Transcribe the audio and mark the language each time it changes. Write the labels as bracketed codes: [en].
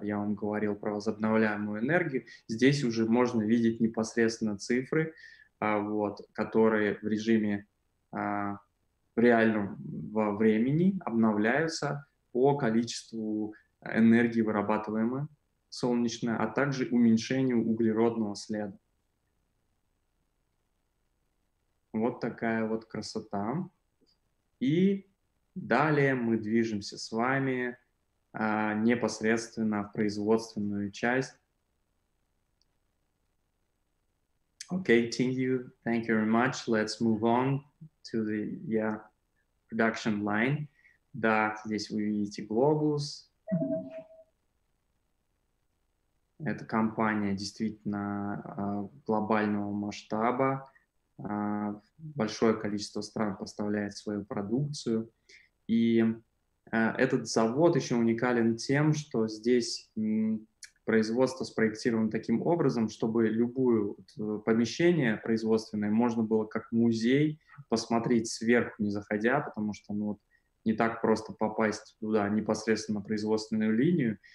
[ru] Я вам говорил про возобновляемую энергию. Здесь уже можно видеть непосредственно цифры, вот, которые в режиме в реальном времени обновляются по количеству энергии, вырабатываемой солнечной, а также уменьшению углеродного следа. Вот такая вот красота. И далее мы движемся с вами непосредственно в производственную часть. [en] Okay, thank you very much. Let's move on to the production line. [ru] Да, здесь вы видите глобус. Это компания действительно глобального масштаба. Большое количество стран поставляет свою продукцию. И этот завод еще уникален тем, что здесь производство спроектировано таким образом, чтобы любое помещение производственное можно было как музей посмотреть сверху, не заходя, потому что ну, вот, не так просто попасть туда непосредственно на производственную линию.